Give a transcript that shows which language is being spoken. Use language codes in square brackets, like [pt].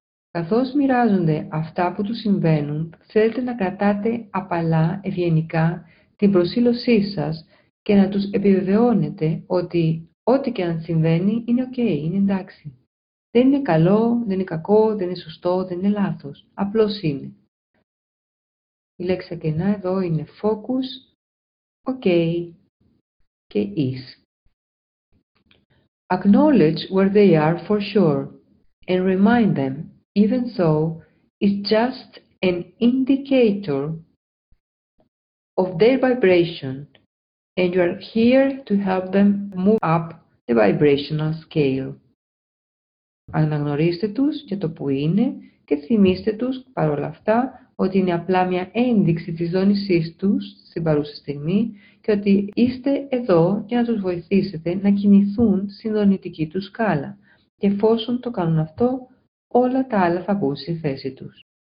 [el] Καθώς μοιράζονται αυτά που τους συμβαίνουν, θέλετε να κρατάτε απαλά, ευγενικά, την προσήλωσή σας και να τους επιβεβαιώνετε ότι ό,τι και αν συμβαίνει είναι ok, είναι εντάξει. Δεν είναι καλό, δεν είναι κακό, δεν είναι σωστό, δεν είναι λάθος. Απλώς είναι. Η λέξη κενά εδώ είναι focus, ok και is. [en] Acknowledge where they are for sure and remind them. Even so, it's just an indicator of their vibration and you are here to help them move up the vibrational scale. [el] Αναγνωρίστε τους για το που είναι και θυμίστε τους παρόλα αυτά ότι είναι απλά μια ένδειξη της δόνησής τους στην παρούσα στιγμή και ότι είστε εδώ για να τους βοηθήσετε να κινηθούν στην δονητική του σκάλα. Και εφόσον το κάνουν αυτό, όλα τα άλλα θα μπουν στη θέση τους.